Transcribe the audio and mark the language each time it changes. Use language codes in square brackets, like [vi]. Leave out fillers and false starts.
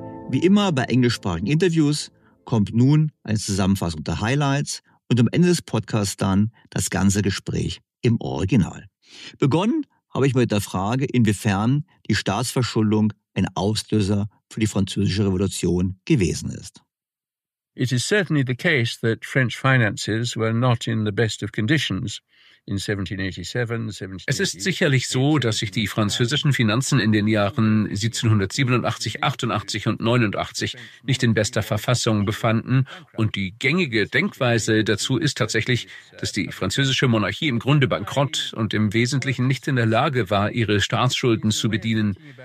[de] Wie immer bei englischsprachigen Interviews kommt nun eine Zusammenfassung der Highlights und am Ende des Podcasts dann das ganze Gespräch im Original. Begonnen habe ich mit der Frage, inwiefern die Staatsverschuldung ein Auslöser für die Französische Revolution gewesen ist. [en] It is certainly the case that French finances were not in the best of conditions in 1787. [de] Es ist sicherlich so, dass sich die französischen Finanzen in den Jahren 1787, 88 und 89 nicht in bester Verfassung befanden. Und die gängige Denkweise dazu ist tatsächlich, dass die französische Monarchie im Grunde bankrott und im Wesentlichen nicht in der Lage war, ihre Staatsschulden zu bedienen.